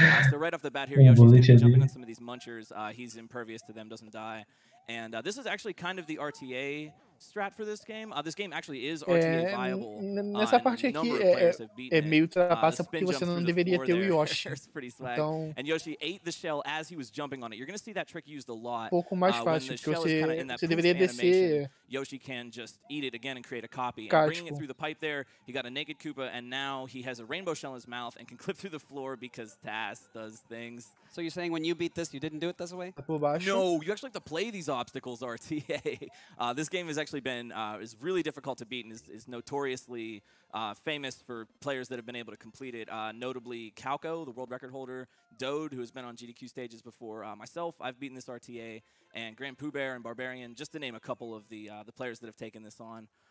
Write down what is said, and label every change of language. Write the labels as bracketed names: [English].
[English] So right off the bat here, Yoshi's jumping on some of these munchers. He's impervious to them, doesn't die. And this is actually kind of the RTA strat for this game. This game actually is RTA viable. [Portuguese] Nessa parte aqui é meio ultrapassa porque você não deveria ter o Yoshi. Então, [English] and Yoshi ate the shell as he was jumping on it. You're going to see that trick used a lot. [Portuguese] Um pouco mais fácil porque você deveria descer. [English] Yoshi can just eat it again and create a copy. And bringing it through the pipe there, he got a naked Koopa, and now he has a rainbow shell in his mouth and can clip through the floor because TAS does things. So you're saying when you beat this, you didn't do it this way? No, you actually have to play these obstacles, RTA. This game has actually been is really difficult to beat and is notoriously famous for players that have been able to complete it, notably Calco, the world record holder, Dode, who has been on GDQ stages before, myself, I've beaten this RTA, and Grand Pooh Bear and Barbarian, just to name a couple of the players that have taken this on.